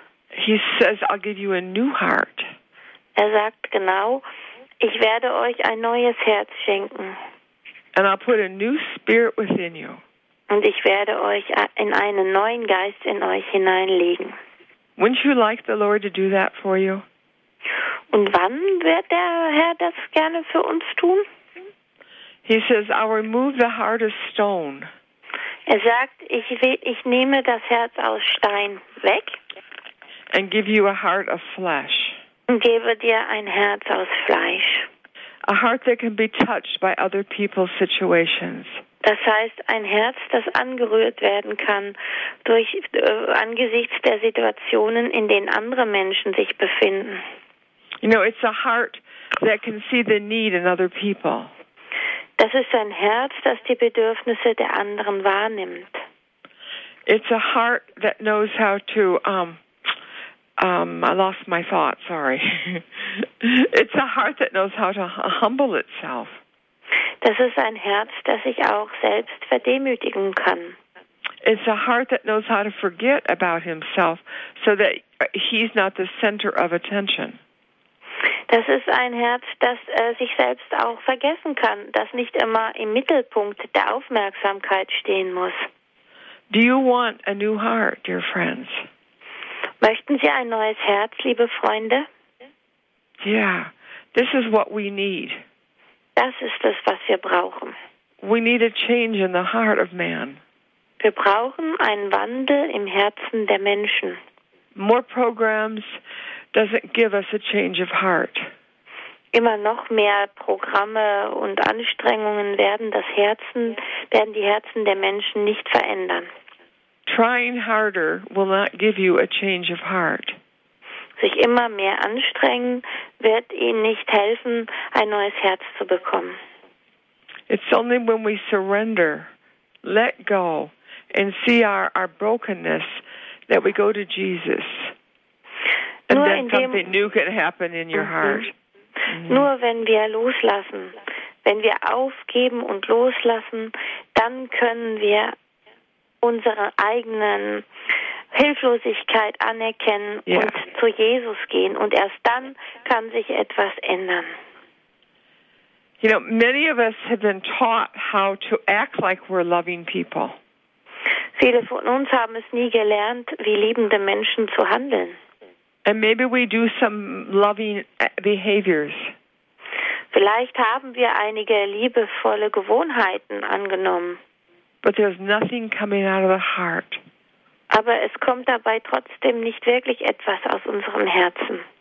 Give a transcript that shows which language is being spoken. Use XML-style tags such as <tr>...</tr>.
<en>He says, I'll give you a new heart.</en> <de>Er sagt genau, ich werde euch ein neues Herz schenken.</de> <en>And I'll put a new spirit within you.</en> <de>Und ich werde euch in einen neuen Geist in euch hineinlegen.</de> <en>Wouldn't you like the Lord to do that for you?</en> <de>Und wann wird der Herr das gerne für uns tun?</de> <en>He says, I'll remove the heart of stone.</en> <de>Er sagt, ich nehme das Herz aus Stein weg.</de> <en>And give you a heart of flesh.</en> <de>Und gebe dir ein Herz aus Fleisch.</de> <en>A heart that can be touched by other people's situations.</en> <de>Das heißt, ein Herz, das angerührt werden kann durch angesichts der Situationen, in denen andere Menschen sich befinden.</de> <en>You know, it's a heart that can see the need in other people.</en> <de>Das ist ein Herz, das die Bedürfnisse der anderen wahrnimmt.</de> <en>It's a heart that knows how to I lost my thought, sorry. It's a heart that knows how to humble itself.</en> <de>Das ist ein Herz, das sich auch selbst verdemütigen kann.</de> <en>It's a heart that knows how to forget about himself so that he's not the center of attention.</en> <de>Das ist ein Herz, das sich selbst auch vergessen kann, das nicht immer im Mittelpunkt der Aufmerksamkeit stehen muss.</de> <en>Do you want a new heart, dear friends?</en> <de>Möchten Sie ein neues Herz, liebe Freunde?</de> <en>Yeah, this is what we need.</en> <de>Das ist das, was wir brauchen.</de> <en>We need a change in the heart of man.</en> <de>Wir brauchen einen Wandel im Herzen der Menschen.</de> <en>More programs doesn't give us a change of heart.</en> <de>Immer noch mehr Programme und Anstrengungen werden die Herzen der Menschen nicht verändern.</de> <en>Trying harder will not give you a change of heart.</en> <de>Sich immer mehr anstrengen wird Ihnen nicht helfen, ein neues Herz zu bekommen.</de> <en>It's only when we surrender, let go, and see our brokenness that we go to Jesus. And</en> <de>nur</de> <en>then something new can happen in your heart.</en> <de>Nur wenn wir loslassen, wenn wir aufgeben und loslassen, dann können wir unsere eigenen Hilflosigkeit anerkennen und zu Jesus gehen. Und erst dann kann sich etwas ändern.</de> <en>You know, many of us have been taught how to act like we're loving people.</en> <de>Viele von uns haben es nie gelernt, wie liebende Menschen zu handeln.</de> <en>And maybe we do some loving behaviors.</en> <de>Vielleicht haben wir einige liebevolle Gewohnheiten angenommen.</de> <en>But there's nothing coming out of the heart.</en> <de>Aber es kommt dabei trotzdem nicht wirklich etwas aus unserem Herzen.</de>